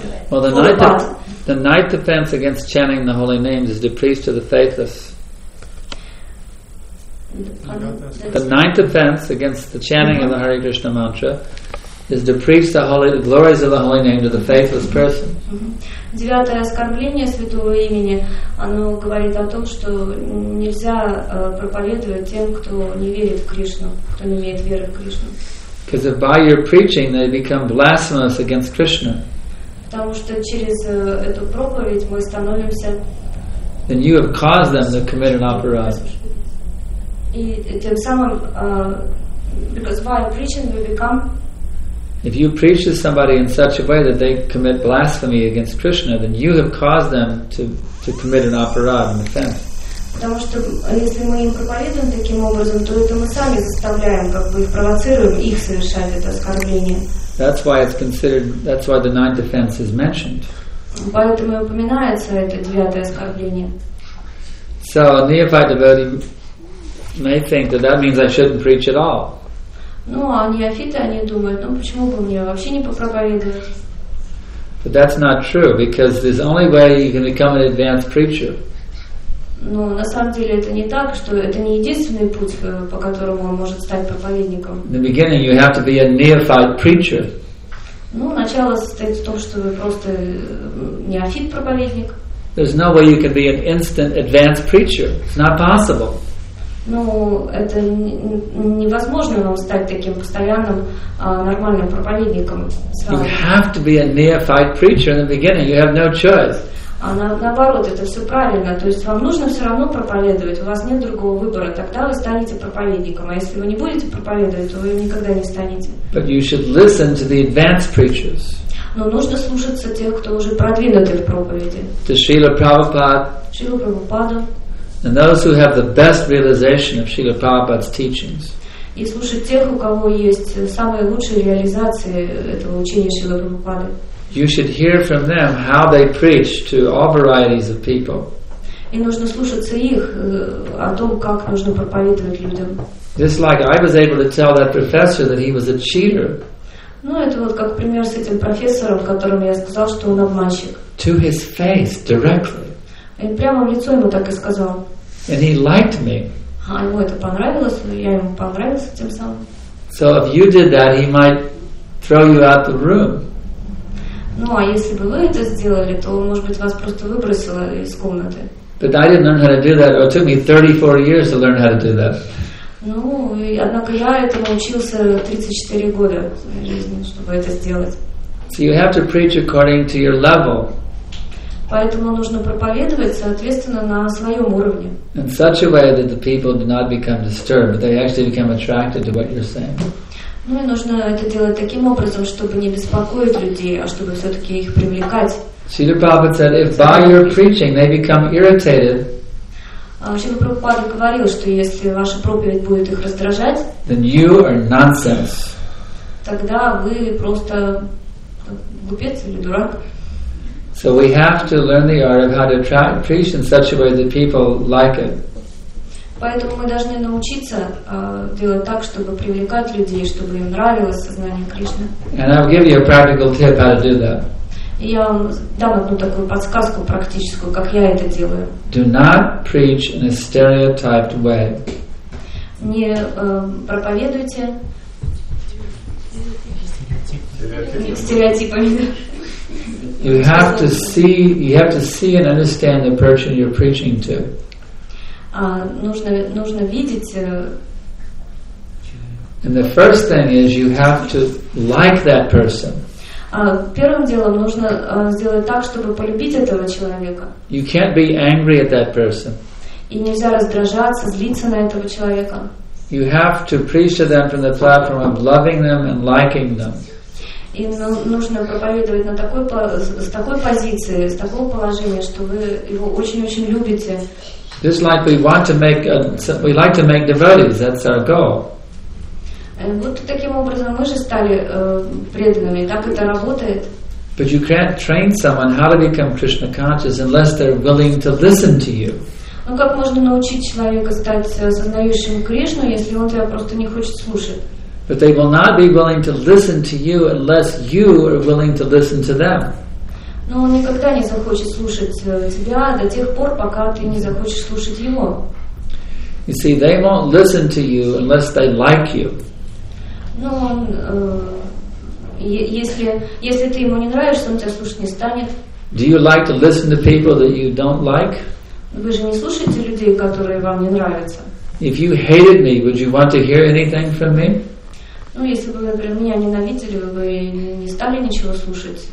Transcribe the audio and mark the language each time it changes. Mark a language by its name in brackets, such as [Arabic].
[English] Well, the night defense against chanting the holy names is to preach to the faithless. The ninth offense against the chanting of the Hare Krishna mantra is to preach the glories of the holy name to the faithless person. [Russian] Девятое оскорбление святого имени, оно говорит о том, что нельзя проповедовать тем, кто не верит в Кришну, кто не имеет веры в Кришну. [English] Because if by your preaching they become blasphemous against Krishna. [Russian] Потому что через эту проповедь мы становимся. [English] Then you have caused them to commit an aparadha. [Russian] И тем самым, [English] because by preaching we become. If you preach to somebody in such a way that they commit blasphemy against Krishna, then you have caused them to commit an aparadha, an offense. [Russian] Потому что если мы им проповедуем таким образом, то это мы сами заставляем, как бы их провоцируем, их совершать это оскорбление. [English] That's why it's considered. That's why the ninth offense is mentioned. [Russian] Поэтому и упоминается это девятое оскорбление. [English] So a neophyte devotee may think that that means I shouldn't preach at all. [Russian] Ну, а неофиты, они думают, ну почему бы мне вообще не попроповедовать? [English] But that's not true, because there's only way you can become an advanced preacher. [Russian] Ну, на самом деле это не так, что это не единственный путь, по которому он может стать проповедником. [English] In the beginning you have to be a neophyte preacher. [Russian] Ну, начало состоит в том, что вы просто неофит-проповедник. [English] There's no way you can be an instant advanced preacher. It's not possible. [Russian] Ну, это невозможно вам стать таким постоянным нормальным проповедником. [English] You have to be a neophyte preacher in the beginning. You have no choice. [Russian] А наоборот, это все правильно. То есть вам нужно все равно проповедовать. У вас нет другого выбора. Тогда вы станете проповедником. А если вы не будете проповедовать, то вы никогда не станете. [English] But you should listen to the advanced preachers. [Russian] Но нужно слушаться тех, кто уже продвинутый в проповеди. [English] To Srila Prabhupada. Srila Prabhupada. And those who have the best realization of Srila Prabhupada's teachings. [Russian] И слушать тех, у кого есть самые лучшие реализации этого учения Шрилы Прабхупады. [English] You should hear from them how they preach to all varieties of people. [Russian] И нужно слушаться их о том, как нужно проповедовать людям. [English] Just like I was able to tell that professor that he was a cheater. [Russian] Ну, это вот как пример с этим профессором, которым я сказал, что он обманщик. [English] To his face, directly. [Russian] И прямо в лицо ему так и сказал. [English] And he liked me. [Russian] А ему это понравилось, я ему понравился тем самым. [English] So if you did that, he might throw you out the room. [Russian] Ну, а если бы вы это сделали, то, может быть, вас просто выбросило из комнаты. [English] But I didn't learn how to do that. It took me 34 years to learn how to do that. [Russian] Ну, и, однако я этому учился 34 года жизни, чтобы это сделать. [English] So you have to preach according to your level. [Russian] Поэтому нужно проповедовать, соответственно, на своем уровне. [English] In such a way that the people do not become disturbed, but they actually become attracted to what you're saying. [Russian] Ну и нужно это делать таким образом, чтобы не беспокоить людей, а чтобы все-таки их привлекать. [English] Srila Prabhupada said, if by your preaching they become irritated, [Russian] Srila Prabhupada говорил, что если ваша проповедь будет их раздражать, [English] then you are nonsense. [Russian] Тогда вы просто глупец или дурак. [English] So we have to learn the art of how to preach in such a way that people like it. [Russian] Поэтому мы должны научиться делать так, чтобы привлекать людей, чтобы им нравилось сознание Кришны. [English] And I'll give you a practical tip how to do that. [Russian] Я вам дам одну такую подсказку практическую, как я это делаю. [English] Do not preach in a stereotyped way. [Russian] Не проповедуйте. стереотипами. [English] You have to see, you have to see and understand the person you're preaching to. [Russian] Нужно видеть. [English] And the first thing is you have to like that person. [Russian] Первым делом нужно сделать так, чтобы полюбить этого человека. [English] You can't be angry at that person. [Russian] И нельзя раздражаться, злиться на этого человека. [English] You have to preach to them from the platform of loving them and liking them. [Russian] И нужно проповедовать с такой позиции, с такого положения, что вы его очень-очень любите. [English] Just like we like to make devotees, that's our goal. [Russian] Вот таким образом мы же стали преданными, так это работает. [English] But you can't train someone how to become Krishna conscious unless they're willing to listen to you. [Russian] Ну как можно научить человека стать осознающим Кришну, если он тебя просто не хочет слушать? [English] But they will not be willing to listen to you unless you are willing to listen to them. [Russian] Но он никогда не захочет слушать тебя до тех пор, пока ты не захочешь слушать его. [English] You see, they won't listen to you unless they like you. [Russian] Но он, если ты ему не нравишься, он тебя слушать не станет. [English] Do you like to listen to people that you don't like? [Russian] Вы же не слушаете людей, которые вам не нравятся. [English] If you hated me, would you want to hear anything from me? [Russian] Ну, если бы вы, например, меня ненавидели, вы бы не стали ничего слушать.